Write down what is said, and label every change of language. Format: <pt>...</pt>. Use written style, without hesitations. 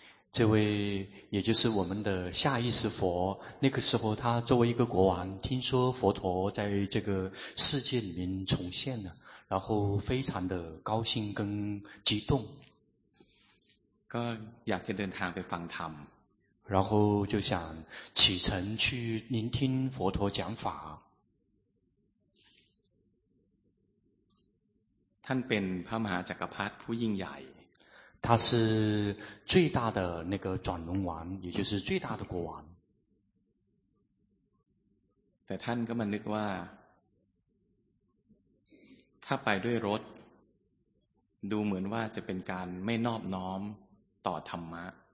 <zh>这位也就是我们的下一世佛那个时候他作为一个国王听说佛陀在这个世界里面重现了然后非常的高兴跟激动</zh> <th>ก็อยากจะเดินทางไปฟังธรรม</th> <zh>然后就想启程去聆听佛陀讲法</zh> <th>ท่านเป็นพระมหาจักรพรรดิผู้ยิ่งใหญ่</th> <zh>他是最大的那个转轮王也就是最大的国王</zh> <th>แต่ท่านก็มานึกว่าถ้าไปด้วยรถดูเหมือนว่าจะเป็นการไม่นอบน้อมต่อธรรมะ</th>